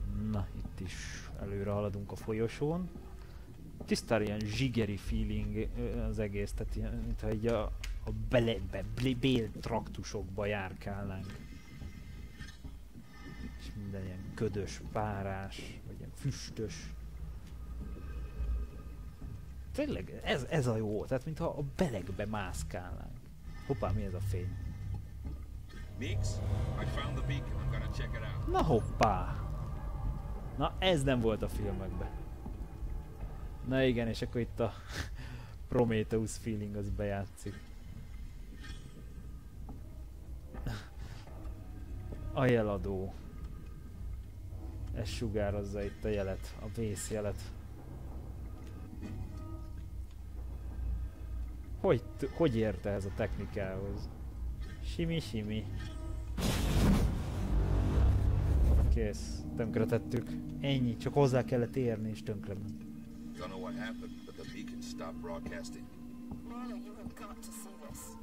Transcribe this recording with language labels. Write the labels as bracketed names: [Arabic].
[Hungarian] Na, itt is előre haladunk a folyosón. Tisztán ilyen zsigeri feeling az egész, tehát ilyen, mintha így a bél traktusokba járkálnánk. És minden ilyen ködös, párás, vagy ilyen füstös. Tényleg, ez a jó, tehát mintha a belegbe mászkálnánk. Hoppá, mi ez a fény? [English] Meeks, I found the beacon, I'm gonna check it out. [Hungarian] Na hoppá! Na, ez nem volt a filmekben. Na igen, és akkor itt a Prometheus feeling az bejátszik. A jeladó. Ez sugározza itt a jelet, a vészjelet. Hogy érte ez a technikához? Simi-simi. Kész, tönkretettük. Ennyi, csak hozzá kellett érni és tönkrement. [English] Don't know what happened, but the beacon stopped broadcasting. Marlo, you have got to see this.